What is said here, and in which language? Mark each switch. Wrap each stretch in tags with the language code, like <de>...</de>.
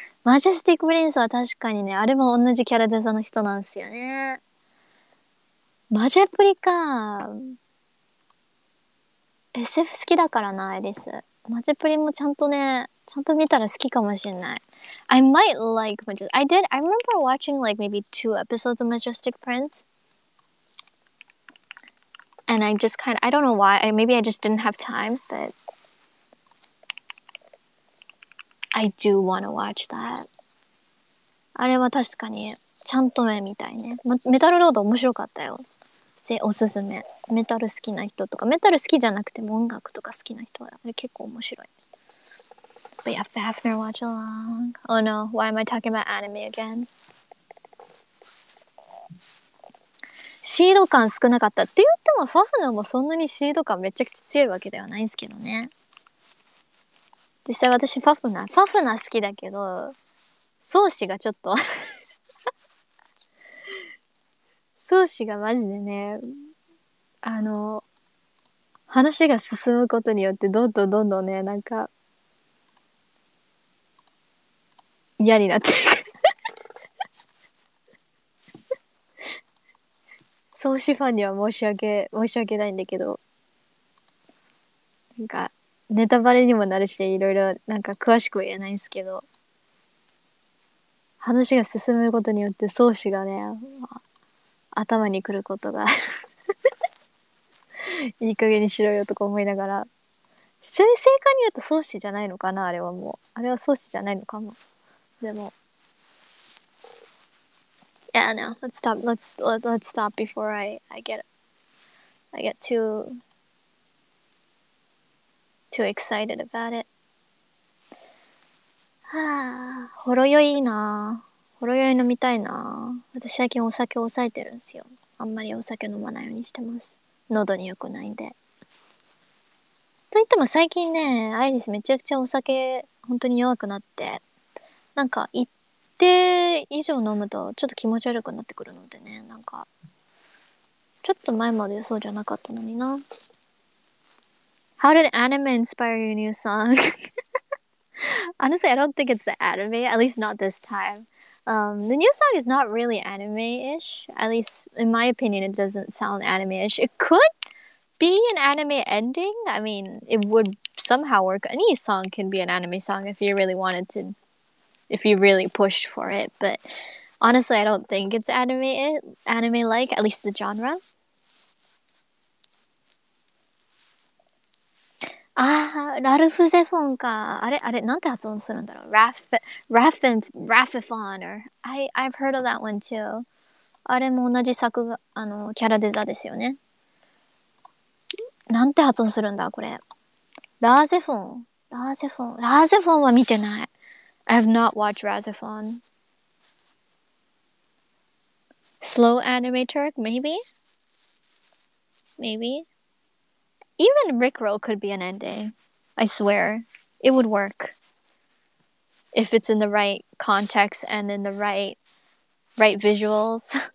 <ja>マジェスティックプリンスは確かにね、あれも同じキャラデザの人なんですよね。マジアプリか。 SF 好きだからな、アイリス。マジプリもちゃんとね、ちゃんと見たら好きかもしんない。</ja> <en>I might like Majestic. I did. I remember watching like maybe 2 episodes of Majestic Prince. And I just kind of, I don't know why. Maybe I just didn't have time, but I do want to watch that.</en> <ja>あれは確かにちゃんと見たいね。メタルロード面白かったよ。でおすすめ。メタル好きな人とか、メタル好きじゃなくても音楽とか好きな人はあれ結構面白い。</ja> <en>But yeah, Fafnir watch along. Oh no, why am I talking about anime again?</en> <ja>シード感少なかったって言っても、Fafnirもそんなにシード感めちゃくちゃ強いわけではないんですけどね。実際私Fafnir好きだけど、宗師がちょっと…ソーシがマジでね、あの話が進むことによってどんどんどんどんね、なんか嫌になっていく。ソーシファンには申し訳ないんだけど、なんかネタバレにもなるし、いろいろなんか詳しくは言えないんですけど、話が進むことによってソーシがね、頭に来ることが。いい加減にしろよとか思いながら。正解に言うと宗師じゃないのかな、あれはもう。あれは宗師じゃないのかも。でも。</ja> <en>Yeah, no. Let's stop before I get too excited about it.</en> <ja>はぁ、あ、ほろ酔いいなぁ。ほろ酔い飲みたいな。私最近お酒を抑えてるんですよ。あんまりお酒飲まないようにしてます。喉に良くないんで。といっても最近ね、アイリスめちゃくちゃお酒本当に弱くなって、なんか一定以上飲むとちょっと気持ち悪くなってくるのでね、なんかちょっと前までそうじゃなかったのにな。</ja> <en>How did anime inspire your new song? Honestly, I don't think it's the anime, at least not this timethe new song is not really anime-ish. At least, in my opinion, it doesn't sound anime-ish. It could be an anime ending. I mean, it would somehow work. Any song can be an anime song if you really wanted to, if you really pushed for it. But honestly, I don't think it's anime-like, at least the genre.</en> <ja>ああ、ラルフゼフォンか。あれ、なんて発音するんだろう。</ja> <en>Raffifoner. I've heard of that one too.</en> <ja>あれも同じ作画、あの、キャラデザですよね。なんて発音するんだ、これ。ラーゼフォン。ラーゼフォンは見てない。</ja> <en>I have not watched Razifon. Slow Anime Turk, maybe? Even Rickroll could be an ending. I swear. It would work. If it's in the right context and in the right visuals.</en>